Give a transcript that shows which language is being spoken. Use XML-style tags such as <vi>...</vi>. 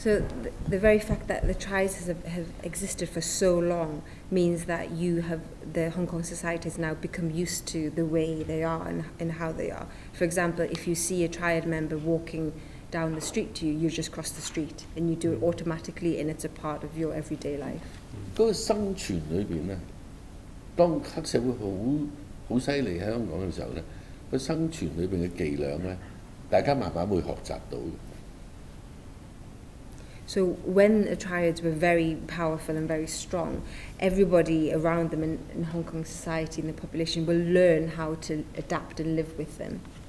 <en>So the very fact that the triads have existed for so long means that you have, the Hong Kong society has now become used to the way they are and how they are. For example, if you see a triad member walking down the street to you, you just cross the street and you do it automatically, and it's a part of your everyday life.</en> <zh>那個生存裡面呢,當黑社會很厲害在香港的時候呢,生存裡面的伎倆呢,大家慢慢會學習到的。</zh> <en>So when the triads were very powerful and very strong, everybody around them in Hong Kong society and the population will learn how to adapt and live with them.</en>